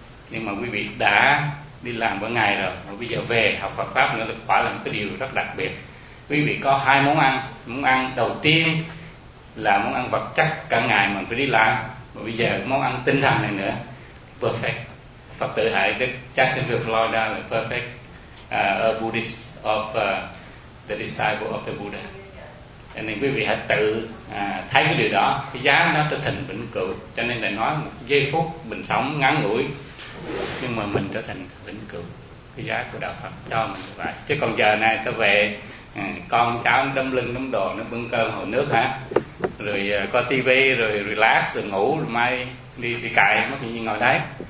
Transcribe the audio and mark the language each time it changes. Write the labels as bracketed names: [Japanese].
[Vietnamese] Nhưng mà quý vị đã đi làm mỗi ngày rồi, mà bây giờ về học Phật Pháp nữa, quả là một cái điều rất đặc biệt. Quý vị có hai món ăn. Món ăn đầu tiên là món ăn vật chất cả ngày mà phải đi làm, mà bây giờ món ăn tinh thần này nữa, perfect. Phật tử Hải Đức, Jacksonville, Florida là perfect. [English] A Buddhist of the disciple of the Buddha. [Vietnamese] Cho nên quý vị hãy tự thấy cái điều đó, cái giá nó trở thành vĩnh cửu. Cho nên là nói một giây phút mình sống ngắn ngủi, nhưng mà mình trở thành vĩnh cửu. Cái giá của Đạo Phật cho mình như vậy. Chứ còn giờ này ta về, con cháu nó đấm lưng đấm đồ, nó bưng cơm hồi nước hả, rồi có tivi, rồi relax, rồi ngủ, rồi mai đi cài, mất như ngồi đấy.